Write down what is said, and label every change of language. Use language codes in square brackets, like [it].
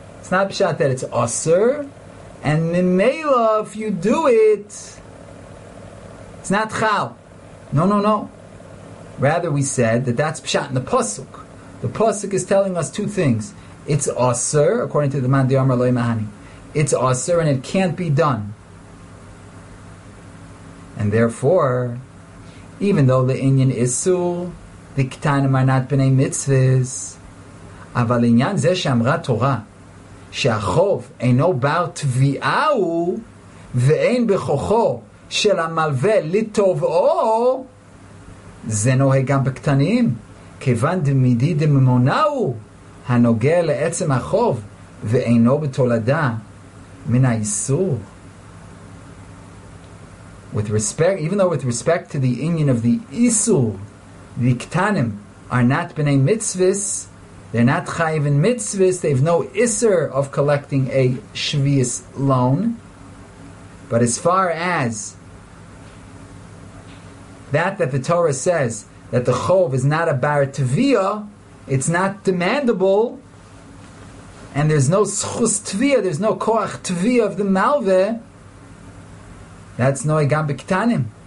[en] It's not pshat that it's asur, and mimela, if you do it, it's not chal. No, no, no. Rather, we said that that's pshat in the pasuk. The pasuk is telling us two things. It's asur, according to the man di'amar loy mahani. It's asur, and it can't be done. And therefore, even though the inyan isul, the ketanim are not b'nei mitzvahs, [he] aval inyan ze shamra Torah, שהחוב אינו בר תביעה הוא ואין בכוחו של המלווה לטובו, זה נוהג גם בקטנים, כיוון דמידי דממונה הוא הנוגע לעצם החוב ואינו בתולדה מן האיסור. [en] With respect, even though with respect to the union of the איסור, the קטנים are not b'nei mitzvahs, they're not chayiv in mitzvahs, they have no iser of collecting a shvius loan. But as far as that the Torah says that the chov is not a bar tviya, it's not demandable, and there's no schus tviya, there's no koach tviya of the malveh, that's no egam b'ketanim.